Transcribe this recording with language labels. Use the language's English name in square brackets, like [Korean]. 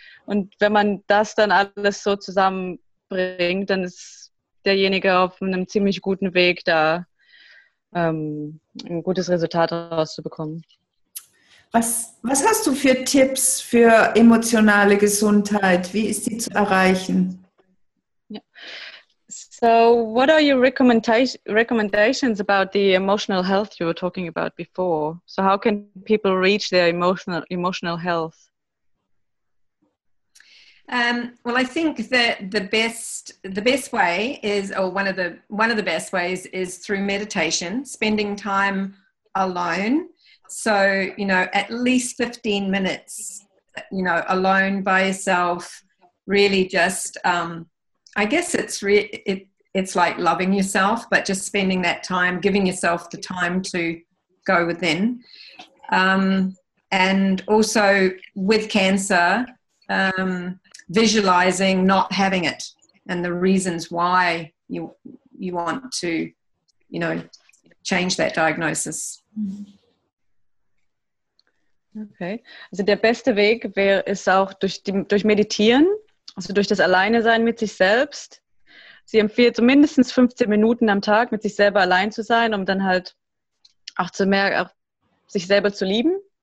[German] Und wenn man das dann alles so zusammenbringt, dann ist derjenige auf einem ziemlich guten Weg, da ein gutes Resultat rauszubekommen. Was hast du für Tipps für emotionale Gesundheit? Wie ist die zu erreichen? [English] Yeah. So, what are your recommendations about the emotional health you were talking about before? So, how can people reach their emotional health? Well, I think that the best way is, or one of the best ways is through meditation, spending time alone. So, at least 15 minutes, alone by yourself, really just, I guess it's like loving yourself, but just spending that time, giving yourself the time to go within. And also with cancer, visualizing not having it and the reasons why you want to, change that diagnosis. Okay. [German] Also der beste Weg ist auch durch Meditieren, also durch das Alleine sein mit sich selbst. Sie empfiehlt zumindest 15 Minuten am Tag mit sich selber allein zu sein, um dann halt auch zu merken, auch sich selber zu lieben.